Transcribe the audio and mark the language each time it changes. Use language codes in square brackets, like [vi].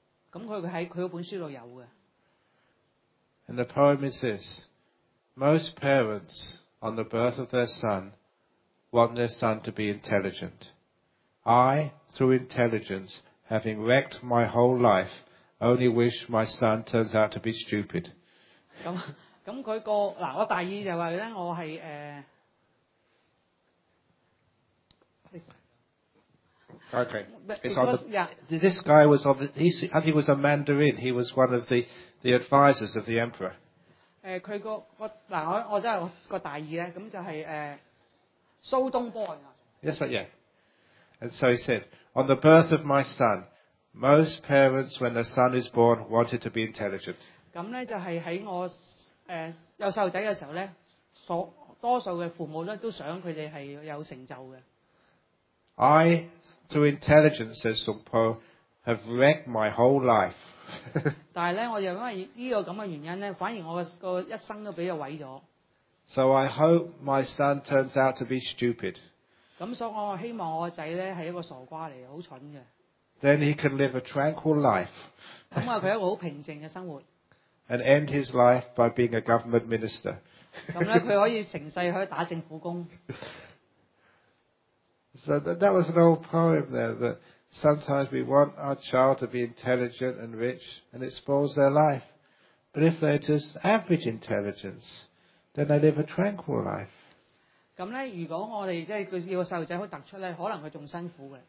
[yue] 咁佢喺佢嗰本書度有嘅。 [en] And the poem is this: Most parents, on the birth of their son, want their son to be intelligent. I, through intelligence. Having wrecked my whole life, only wish my son turns out to be stupid. [yue] 咁佢個嗱，我大意就話咧，我係 [en] Okay. This guy was on. He was a Mandarin. He was one of the advisors of the emperor. [yue] 佢個嗱，我真係個大意咧，咁就係蘇東坡啊。 [en] Yes, but yeah. And so he said, on the birth of my son, most parents, when the son is born, wanted to be intelligent. [yue] 咁咧就係喺我有細路仔嘅時候咧，多數嘅父母咧都想佢哋係有成就嘅。 [en] I, through intelligence, says Sung Po, have wrecked my whole life. [yue] 但係咧，我又因為呢個咁嘅原因咧，反而我個一生都俾佢毀咗。 [en] So I hope my son turns out to be stupid. [yue] 咁所以我希望我個仔咧係一個傻瓜嚟，好蠢嘅。 [en] Then he can live a tranquil life. [yue] 咁啊，佢一個好平靜嘅生活。 [en] And end his life by being a government minister. [yue] 咁咧，佢可以成世去打政府工。 [en] So that was an old poem there that sometimes we want our child to be intelligent and rich and it spoils their life. But if they're just average intelligence, then they live a tranquil life. [yue] 咁咧，如果我哋即係要個細路仔好突出咧，可能佢仲辛苦嘅。